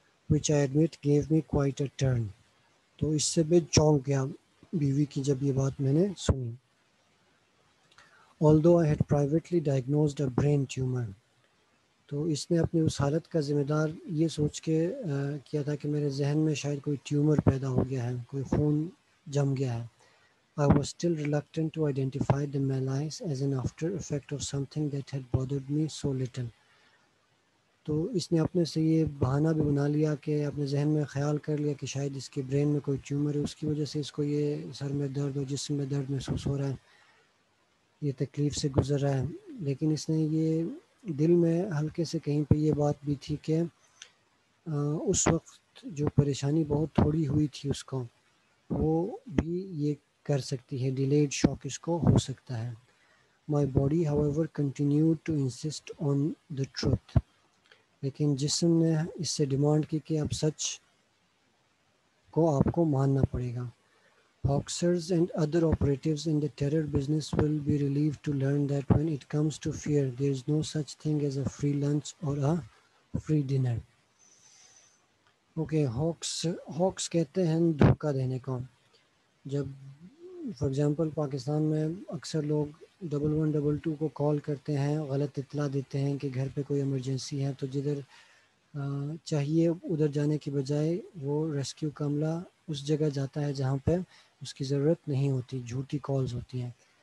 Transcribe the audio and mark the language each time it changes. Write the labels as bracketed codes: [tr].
[en] Which I admit gave me quite a turn. [hi] तो इससे भी चौंक गया बीवी की जब ये बात मैंने सुनी. [en] Although I had privately diagnosed a brain tumor, [hi] तो इसने अपनी उस हालत का ज़िम्मेदार ये सोच के किया था कि मेरे जहन में शायद कोई ट्यूमर पैदा हो गया है, कोई खून जम गया है. [en] I was still reluctant to identify the malaise as an after effect of something that had bothered me so little. [hi] तो इसने अपने से ये बहाना भी बना लिया कि अपने जहन में ख्याल कर लिया कि शायद इसके ब्रेन में कोई ट्यूमर है, उसकी वजह से इसको ये सर में दर्द और जिस्म में दर्द महसूस हो रहा है, ये तकलीफ़ से गुजर रहा है. लेकिन इसने ये दिल में हल्के से कहीं पे ये बात भी थी कि उस वक्त जो परेशानी बहुत थोड़ी हुई थी उसको, वो भी ये कर सकती है, डिलेड शॉक इसको हो सकता है. [en] My body however continue to insist on the truth. [hi] लेकिन जिस्म ने इससे डिमांड की कि अब सच को आपको मानना पड़ेगा. [en] Boxers and other operatives in the terror business will be relieved to learn that when it comes to fear, there is no such thing as a free lunch or a free dinner. [hi] Okay, hawks कहते हैं धोखा देने को. जब for example Pakistan में अक्सर लोग 112 को कॉल करते हैं, गलत इतला देते हैं कि घर पर कोई इमरजेंसी है, तो जिधर चाहिए उधर जाने की बजाय वो रेस्क्यू कमला उस जगह जाता है जहाँ पर उसकी ज़रूरत नहीं होती, झूठी कॉल्स होती हैं.